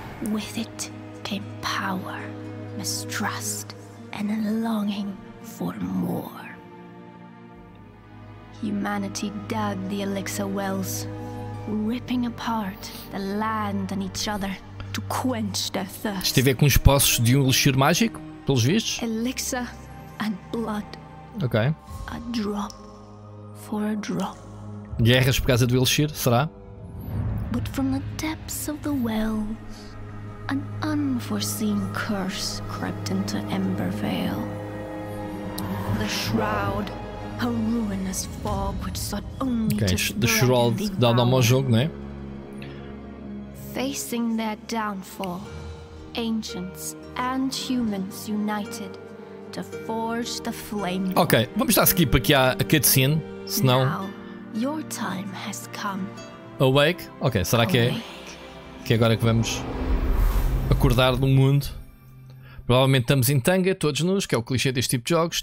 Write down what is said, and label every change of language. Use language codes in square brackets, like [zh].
[en] With it came power, mistrust, and a longing for more. Humanity dug the elixir wells, ripping apart the land and each other to quench their thirst. [pt] Isto tem a ver com os poços de um elixir mágico, pelos vistos? [en] Elixir. And blood. Okay. A drop for a drop. [pt] Guerras por causa do elixir, será? [en] But from the depths of the wells, an unforeseen curse crept into Embervale. The shroud, a ruinous fog which sought only okay, to [pt] the shroud dá nome ao jogo, né? [en] Facing their downfall, ancients and humans united. To forge the flame. [pt] Ok, vamos dar skip aqui à cutscene, senão. [en] Now, your time has come. [pt] Awake? Ok, será [en] awake. [pt] Que é agora que vamos acordar do mundo? Provavelmente estamos em tanga, todos nós, que é o clichê deste tipo de jogos.